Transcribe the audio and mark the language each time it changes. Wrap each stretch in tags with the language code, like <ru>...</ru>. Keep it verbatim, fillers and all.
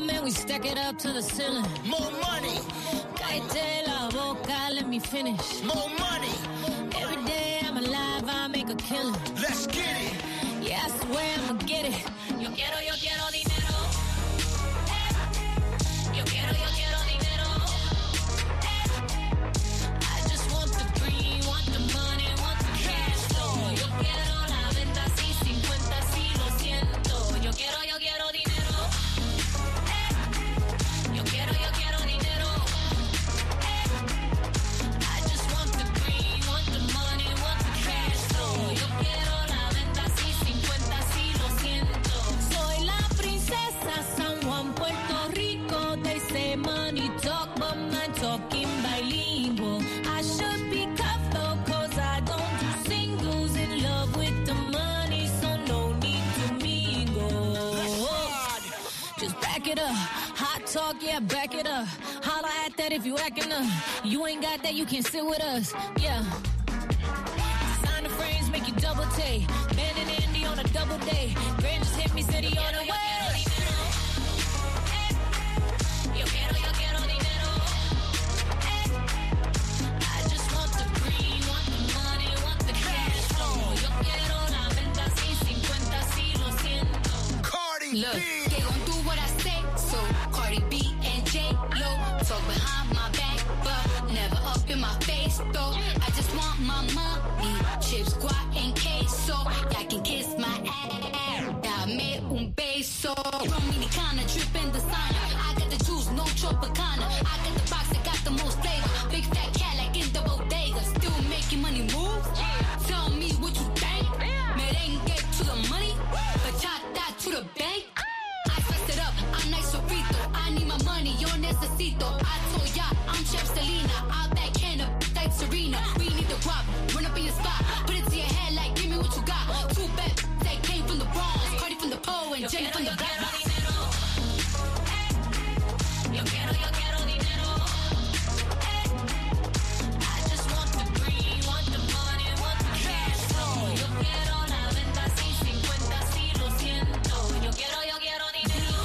<en>stack it up to the ceiling. More money.</en> <es>Cállate la boca,</es> <en>let me finish. More money. Every day I'm alive, I make a killing. Let's get it. Yeah, I swear I'ma get it.</en> <es>Yo quiero, yo quiero dinero. Yo quiero, yo quiero dinero.</es> <en>I just want the green, want the money, want the cash flow.</en> <es>Yo quiero la venta, sí, cincuenta, sí, lo siento. Yo quiero, yo quiero dinero. Yo quiero, yo quiero dinero.</es> <en>I just want the green, want the money, want the cash flow.</en> <es>Yo quiero la venta, sí, cincuenta, sí, lo siento. Soy la princesa San Juan, Puerto Rico.</es> <en>They say money talk, but my talking bilingual. I should be cuffed though, cause I don't do singles. In love with the money, so no need to mingle. Just back it up. Hot talk, yeah, back it up. Holla at that if you acting up. You ain't got that, you can sit with us. Yeah. Designer frames make you double take. Man in Indy on a double day. Grand just hit me, said he on the way.</en> <es>Yo quiero, yo quiero dinero.</es> <en>I just want the green, want the money, want the cash flow.</en> <es>Yo quiero la venta, sí, cincuenta, sí, lo siento.</es> <en>Cardi Look, B. they gon' do what I say, so Cardi B and J-Lo talk behind my back, but never up in my face, though. I just want my money, chips, guac, and queso. Y'all can kiss my ass,</en> <es>dame un beso.</es> <en>Dominicana, drippin' designer. I got the juice, no Tropicana. I got the box that got the most flavor. Big fat cat like in the bodega. Still making money moves. Tell me what you think. Merengue to the money, bachata to the bank. I dressed it up, I'm nice Sorrito. I need my money,</en> <es>yo necesito.</es> <en>I told ya, I'm Chef Selena. I'll backhand up like Serena. We need the guap, run up in your spot. Put it to your head like, give me what you got. Two bad that came from the Bronx. Cardi from the pole and Jenny from the block.</en> <es>Yo quiero, yo quiero dinero.</es> <en>I just want the green, want the money, want the cash flow.</en> <es>Yo quiero la venta, sí, cincuenta, sí, lo siento. Yo quiero, yo quiero dinero.</es>